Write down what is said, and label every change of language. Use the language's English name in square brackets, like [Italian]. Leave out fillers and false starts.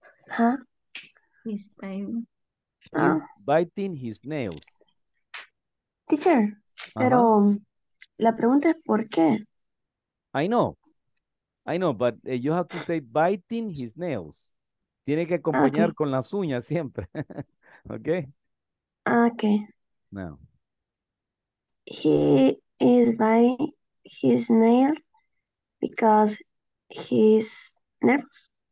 [English] Huh? He's biting. Biting his nails. [Spanish] Teacher, uh-huh. Pero la pregunta es por qué. [English] I know, but you have to say biting his nails. [Spanish] Tiene que acompañar okay. Con las uñas siempre. [English] Okay. Okay. Now. He is biting his nails because he's nervous.